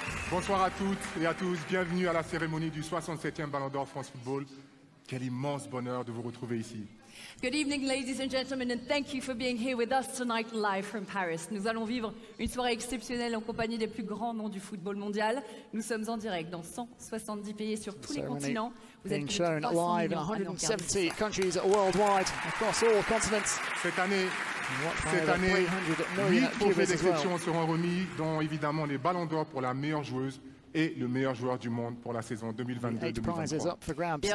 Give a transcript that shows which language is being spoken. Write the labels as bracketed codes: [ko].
[fr] Bonsoir à toutes et à tous, bienvenue à la cérémonie du 67e Ballon d'Or France Football. Quel immense bonheur de vous retrouver ici. [en] Good evening, ladies and gentlemen, and thank you for being here with us tonight live from Paris. [fr] Nous allons vivre une soirée exceptionnelle en compagnie des plus grands noms du football mondial. Nous sommes en direct dans 170 pays sur tous les continents. Vous êtes plus de 300 millions à nous regarder. [en] 170 countries worldwide, across all continents. [fr] Cette année, 8 trophées d'exception seront remis, dont évidemment les Ballons d'Or pour la meilleure joueuse et le meilleur joueur du monde pour la saison 2022-2023.